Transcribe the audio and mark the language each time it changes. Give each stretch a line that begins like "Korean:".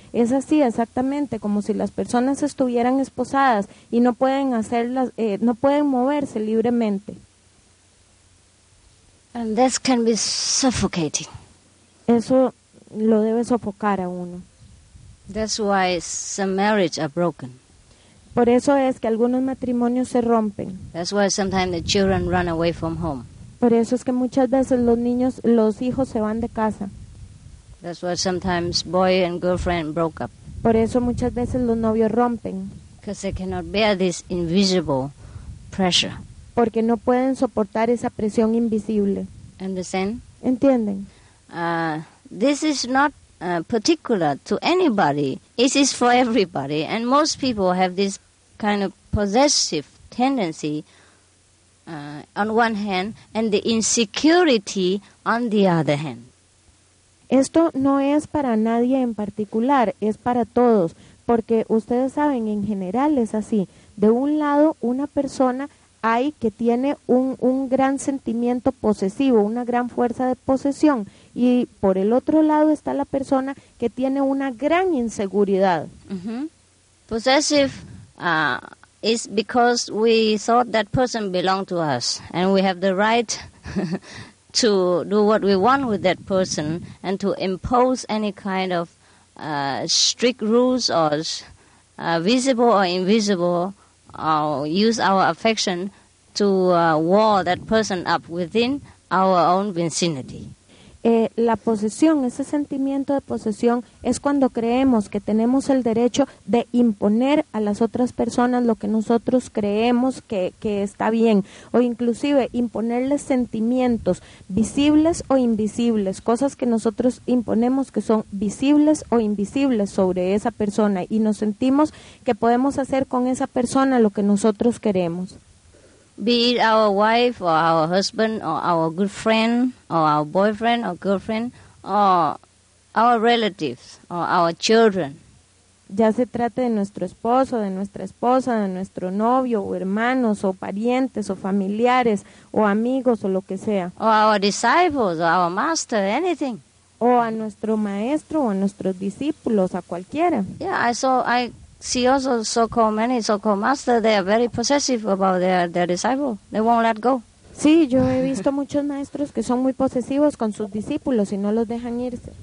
Spanish: Es así exactamente, como si las personas estuvieran esposadas y no pueden hacerlas, no pueden moverse libremente.
English: And this can be suffocating.
Spanish: Eso lo debe sofocar a uno.
English: That's why some marriages are broken.
Spanish: Por eso es que algunos matrimonios se rompen.
English: That's why sometimes the children run away from home.
Spanish: Por eso es que muchas veces los hijos se van de casa.
English: That's why sometimes boy and girlfriend broke up.
Spanish: Por eso muchas veces los novios rompen.
English: Because they cannot bear this invisible pressure.
Spanish: Porque no pueden soportar esa presión invisible.
English: Understand?
Spanish: ¿Entienden?
English: This is not particular to anybody. It is for everybody. And most people have this kind of possessive tendency on one hand and the insecurity on the other hand.
Spanish: Esto no es para nadie en particular, es para todos. Porque ustedes saben, en general es así. De un lado, una persona hay que tiene un gran sentimiento posesivo, una gran fuerza de posesión. Y por el otro lado está la persona que tiene una gran inseguridad. Mm-hmm.
English: Possessive is because we thought that person belonged to us. And we have the right to do what we want with that person and to impose any kind of strict rules or visible or invisible. Use our affection to wall that person up within our own vicinity.
Spanish: La posesión, ese sentimiento de posesión, es cuando creemos que tenemos el derecho de imponer a las otras personas lo que nosotros creemos que está bien, o inclusive imponerles sentimientos visibles o invisibles, cosas que nosotros imponemos que son visibles o invisibles sobre esa persona, y nos sentimos que podemos hacer con esa persona lo que nosotros queremos.
English: Be it our wife or our husband or our good friend or our boyfriend or girlfriend or our relatives or our children.
Spanish: Ya se trate de nuestro esposo, de nuestra esposa, de nuestro novio o hermanos o parientes o familiares o amigos o lo que sea.
English: Or our disciples or our master, anything.
Spanish: O a nuestro maestro o a nuestros discípulos, a cualquiera.
English: Yeah, I see also so-called many so-called masters, they are very possessive about their disciple. They won't let go.
Spanish: Sí, yo he visto muchos maestros que son muy posesivos con sus discípulos y no los dejan irse.